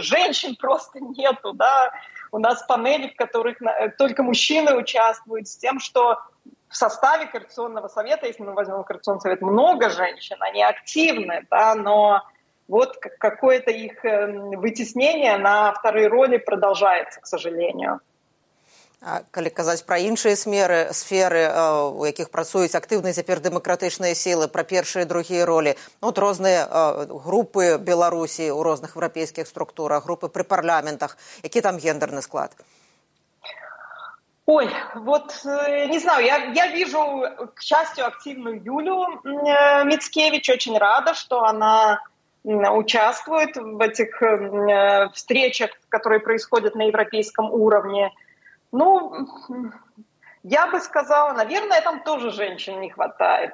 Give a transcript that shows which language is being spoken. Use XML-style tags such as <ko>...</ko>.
<ru>Женщин просто нету, да. У нас панели, в которых только мужчины участвуют, с тем, что в составе Координационного совета, если мы возьмем Координационный совет, много женщин, они активны, да, но вот какое-то их вытеснение на второй роли продолжается, к сожалению.</ru> <be>А калі казаць пра іншыя сферы, у якіх працуюць актыўныя цяпер дэмакратычныя сілы, пра першыя і другія ролі, ну, от розныя групы Беларусі ў розных еўрапейскіх структурах, групы пры парламентах, які там гендерны склад?</be> <ru>Ой, вот не знаю, я вижу, к счастью, активную Юлю Мицкевич, очень рада, что она участвует в этих встречах, которые происходят на европейском уровне. Ну, я бы сказала, наверное, там тоже женщин не хватает.</ru>